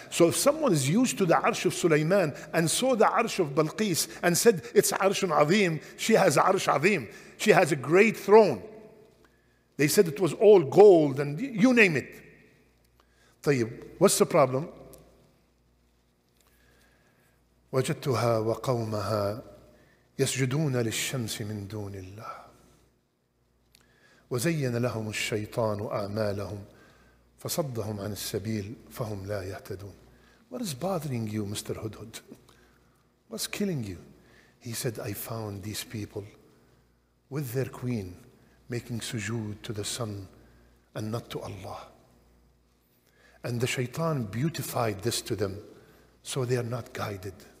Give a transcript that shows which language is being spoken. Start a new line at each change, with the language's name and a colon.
English: So if someone is used to the Arsh of Sulaiman and saw the Arsh of Balqis and said, it's Arsh Azim, she has Arsh Azim. She has a great throne. They said it was all gold and you name it. طيب, what's the problem?
Arabic: وجدتها وقومها يسجدون للشمس من دون الله وزين لهم الشيطان أعمالهم فصدهم عن السبيل فهم لا يهتدون.
English: What is bothering you, Mr. Hudhud? What's killing you? He said, I found these people with their queen making sujood to the sun and not to Allah. And the shaitan beautified this to them so they are not guided.